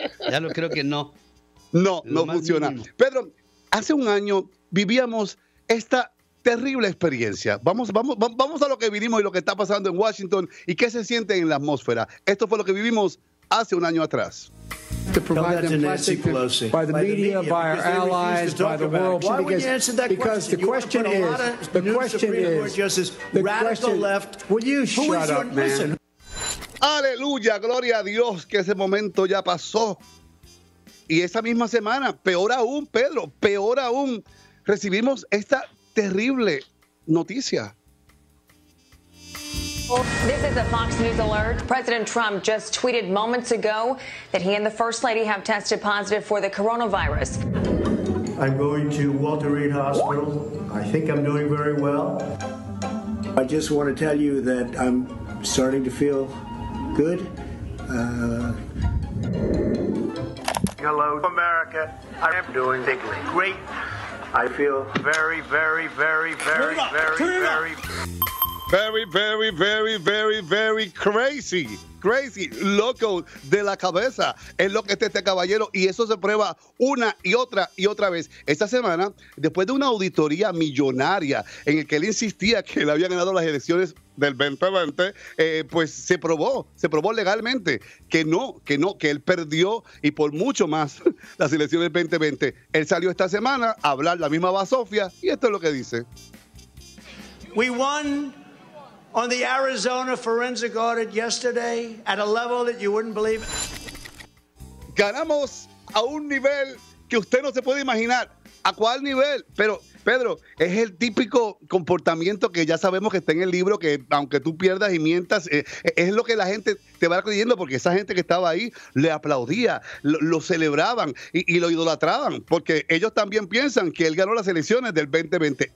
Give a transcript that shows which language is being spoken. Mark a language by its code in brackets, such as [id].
[es] Ya lo creo que no. No funciona. Mínimo. Pedro, hace un año vivíamos esta terrible experiencia. Vamos a lo que vinimos y lo que está pasando en Washington y qué se siente en la atmósfera. Esto fue lo que vivimos hace un año atrás. [en] To provide them by the media, by our allies, by the world. Why would you answer that question? Because the question is, the question is, [es] aleluya, gloria a Dios, que ese momento ya pasó. y esa misma semana, peor aún, Pedro, peor aún, recibimos esta terrible noticia. [en] This is a Fox News alert. President Trump just tweeted moments ago that he and the First Lady have tested positive for the coronavirus. I'm going to Walter Reed Hospital. I think I'm doing very well. I just want to tell you that I'm starting to feel good. Hello, America. I am doing great. I feel very, very, very, very, very, very... Very, very, very, very, very crazy. Crazy, [es] loco de la cabeza. Es lo que está este caballero. Y eso se prueba una y otra vez. Esta semana, después de una auditoría millonaria en el que él insistía que él había ganado las elecciones del 2020, pues se probó legalmente que él perdió y por mucho más las elecciones del 2020. Él salió esta semana a hablar la misma basofia y esto es lo que dice. [en] We won on the Arizona forensic audit yesterday at a level that you wouldn't believe. [es] Ganamos a un nivel que usted no se puede imaginar. ¿A cuál nivel? Pero, Pedro, es el típico comportamiento que ya sabemos que está en el libro, que aunque tú pierdas y mientas, es lo que la gente te va creyendo, porque esa gente que estaba ahí le aplaudía, lo celebraban y lo idolatraban, porque ellos también piensan que él ganó las elecciones del 2020.